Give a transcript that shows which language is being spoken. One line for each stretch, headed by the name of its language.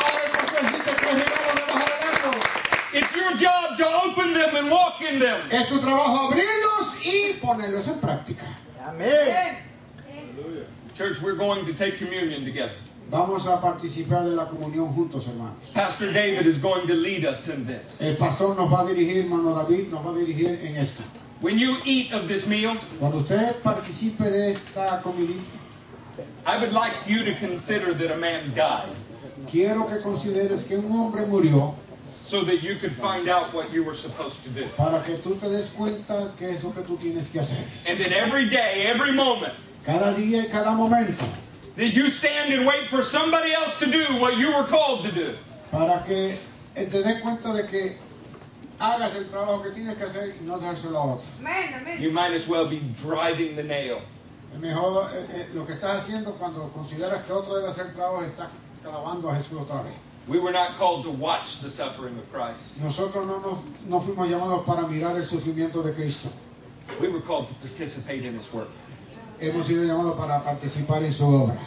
English: It's your job to open them and walk in them.
Spanish: Es tu trabajo abrirlos y ponerlos en práctica. Amén.
English: Church, we're going to take communion together.
Spanish: Vamos a participar de la comunión juntos, hermanos.
English: Pastor David is going to lead us in this.
Spanish: El pastor nos va a dirigir, hermano David, nos va a dirigir en esto.
English: When you eat of this meal,
Spanish: cuando usted participe de esta comidita,
English: I would like you to consider that a man died.
Spanish: Quiero que consideres que un hombre murió.
English: So that you could find out what you were supposed to do.
Spanish: Para que tú te des cuenta que es lo que tú tienes que hacer.
English: And that every day, every moment.
Spanish: Cada día y cada momento.
English: That you stand and wait for somebody else to do what you were called to do.
Spanish: Para que te des cuenta de que hagas el trabajo que tienes que hacer y no dárselo a otro.
English: Amen, amen. You might as well be driving the nail.
Spanish: Mejor lo que estás haciendo cuando consideras que otro debe hacer el trabajo está clavando a Jesús otra vez.
English: We were not called to watch the suffering of Christ.
Spanish: Nosotros no fuimos llamados para mirar el sufrimiento de Cristo.
English: We were called to participate in His work.
Spanish: Hemos sido llamados para participar en su obra.